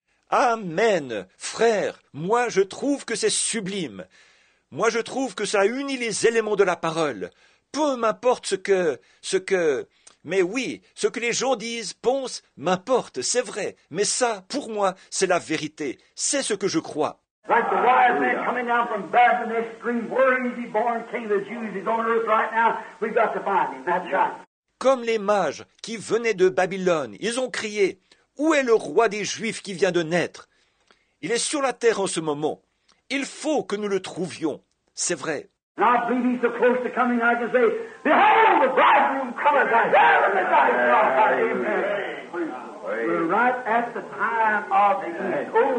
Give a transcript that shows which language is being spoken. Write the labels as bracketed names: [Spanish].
[French] Amen. Frère, moi je trouve que c'est sublime. Moi je trouve que ça unit les éléments de la parole. Peu m'importe ce que les gens disent, pensent, m'importe, c'est vrai. Mais ça, pour moi, c'est la vérité. C'est ce que je crois. [English] Like the wise man coming down from Babylon, they scream, where is he born, king of the Jews? He's on earth right now. We've got to find him. That's right. [French] Comme les mages qui venaient de Babylone, ils ont crié, où est le roi des Juifs qui vient de naître? Il est sur la terre en ce moment. Il faut que nous le trouvions. C'est vrai. [English] Now, I believe he's so close to coming, I can say, behold, the bridegroom cometh, and there the bridegroom cometh. Amen. We're right at the time of the end.